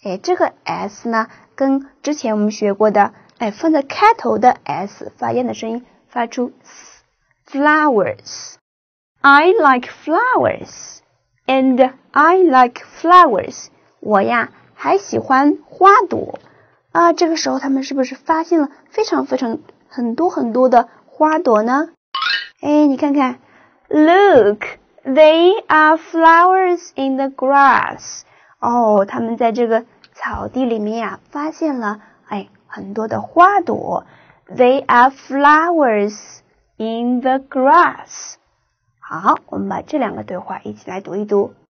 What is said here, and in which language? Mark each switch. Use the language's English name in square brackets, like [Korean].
[Chinese] 这个 s 呢，跟之前我们学过的放在开头的 s 发音的声音发出 s。 [English] Flowers. I like flowers. And I like flowers. [Chinese] 我呀还喜欢花朵。这个时候他们是不是发现了非常非常？很多很多的花朵呢？你看看 [English] ，Look, they are flowers in the grass. [Chinese] 他们在这个草地里面发现了很多的花朵。 [English] They are flowers in the grass. [Chinese] 好，我们把这两个对话一起来读一读。